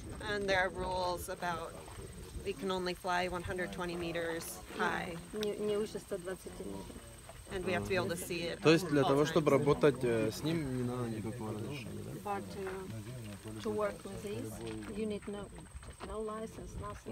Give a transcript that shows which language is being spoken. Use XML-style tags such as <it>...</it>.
<en>And there are rules about we can only fly 120 meters high.</en> <ru>Не выше 120 метров.</ru> <en>And we have to be able to see it.</en> <ru>То есть для того, чтобы работать с ним, не надо никакого разрешения, да?</ru> <en>To work with these, you need no license, nothing.</en>